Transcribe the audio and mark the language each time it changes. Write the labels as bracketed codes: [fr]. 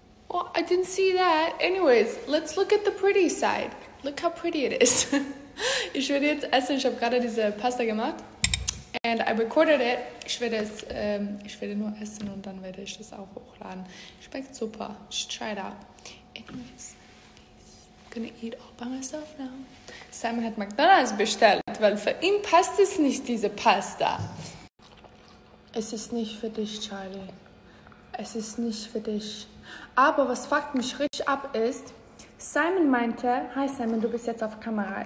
[en] Well, I didn't see that. Anyways, let's look at the pretty side. Look how pretty it is. [de] Ich werde jetzt essen. Ich habe gerade diese Pasta gemacht. [en] And I recorded it. [de] Ich werde nur essen und dann werde ich das auch hochladen. Schmeckt super. [en] Just try it out. Anyways, I'm gonna eat all by myself now. [de] Simon hat McDonald's bestellt, weil für ihn passt es nicht, diese Pasta. Es ist nicht für dich, Charlie. Es ist nicht für dich. Aber was fuckt mich richtig ab ist, Simon meinte, hi Simon, du bist jetzt auf Kamera.